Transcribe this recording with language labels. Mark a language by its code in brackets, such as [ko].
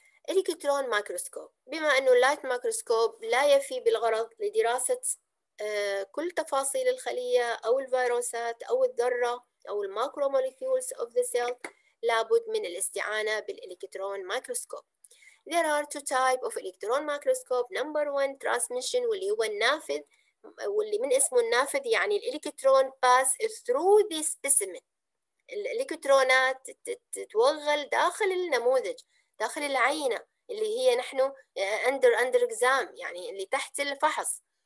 [ar] الكترون مايكروسكوب، بما انه اللايت مايكروسكوب لا يفي بالغرض لدراسة كل تفاصيل الخلية او الفيروسات او الذرة او الماكرو موليكيولز اوف ذا سيل، لابد من الاستعانة بالإلكترون مايكروسكوب. [en] There are two types of electron microscope. Number one, transmission، [ar] واللي هو النافذ، واللي من اسمه النافذ يعني الإلكترون [en] pass through the specimen. [ar] الإلكترونات تتوغل داخل النموذج، داخل العينة اللي هي نحن [en] under exam، [ar] يعني اللي تحت الفحص.